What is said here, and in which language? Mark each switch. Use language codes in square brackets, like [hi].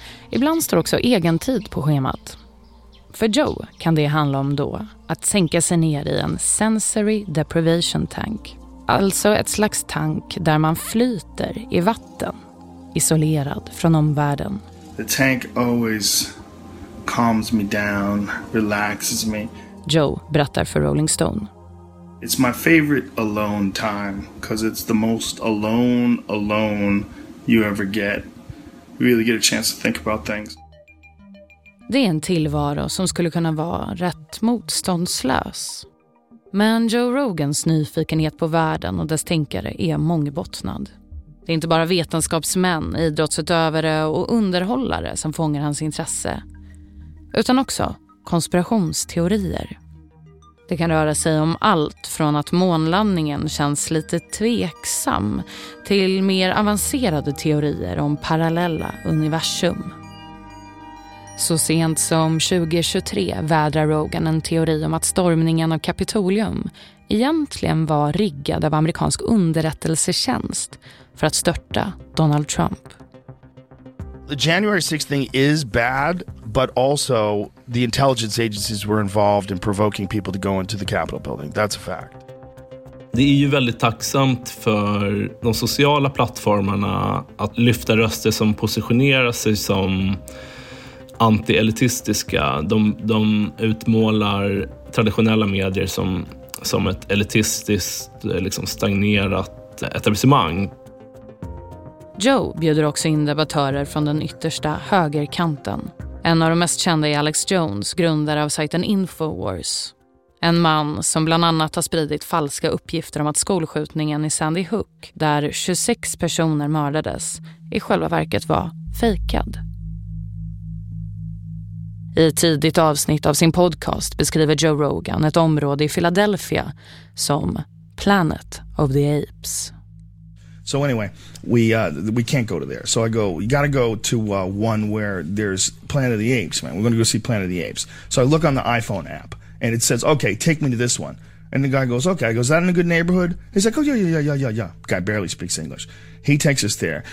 [sv] Ibland står också egen tid på schemat. För Joe kan det handla om då att sänka sig ner i en sensory deprivation tank. Alltså ett slags tank där man flyter i vatten, isolerad från omvärlden. [en] The tank always calms me down, relaxes me. [sv] Joe berättar för Rolling Stone. [en] It's my favorite alone time, because it's the most alone you ever get. You really get a chance to think about things. [sv] Det är en tillvaro som skulle kunna vara rätt motståndslös. Men Joe Rogans nyfikenhet på världen och dess tänkare är mångbottnad. Det är inte bara vetenskapsmän, idrottsutövare och underhållare som fångar hans intresse. Utan också konspirationsteorier. Det kan röra sig om allt från att månlandningen känns lite tveksam till mer avancerade teorier om parallella universum. Så sent som 2023 vädrar Rogan en teori om att stormningen av Kapitolium egentligen var riggad av amerikansk underrättelsetjänst för att störta Donald Trump. [en] The January 6th thing is bad, but also the intelligence agencies were involved in provoking people to go into the Capitol building. That's a fact. [sv] Det är ju väldigt tacksamt för de sociala plattformarna att lyfta röster som positionerar sig som anti-elitistiska. De utmålar traditionella medier som ett elitistiskt, liksom stagnerat etablissemang. Joe bjuder också in debattörer från den yttersta högerkanten. En av de mest kända är Alex Jones, grundare av sajten Infowars. En man som bland annat har spridit falska uppgifter om att skolskjutningen i Sandy Hook, där 26 personer mördades, i själva verket var fejkad. I ett tidigt avsnitt av sin podcast beskriver Joe Rogan ett område i Philadelphia som Planet of the Apes. [en] So anyway, we can't go to there. So I go, you got to go to one where there's Planet of the Apes, man. We're going to go see Planet of the Apes. So I look on the iPhone app and it says, "Okay, take me to this one." And the guy goes, "Okay." I go, "Is that in a good neighborhood?" He's like, "Oh, yeah." Guy barely speaks English. He takes us there.